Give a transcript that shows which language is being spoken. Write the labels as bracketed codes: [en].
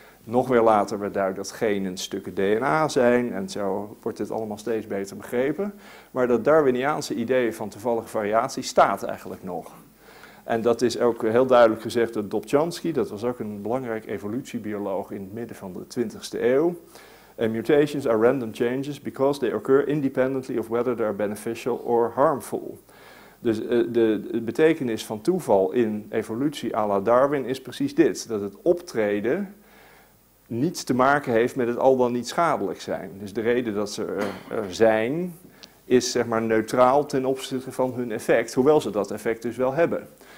[nl] Nog weer later werd duidelijk dat genen stukken DNA zijn en zo wordt dit allemaal steeds beter begrepen. Maar dat Darwiniaanse idee van toevallige variatie staat eigenlijk nog. En dat is ook heel duidelijk gezegd door Dobzhansky, dat was ook een belangrijk evolutiebioloog in het midden van de 20e eeuw. [en] Mutations are random changes because they occur independently of whether they are beneficial or harmful. [nl] Dus de betekenis van toeval in evolutie à la Darwin is precies dit, dat het optreden niets te maken heeft met het al dan niet schadelijk zijn. Dus de reden dat ze er zijn, is zeg maar neutraal ten opzichte van hun effect, hoewel ze dat effect dus wel hebben.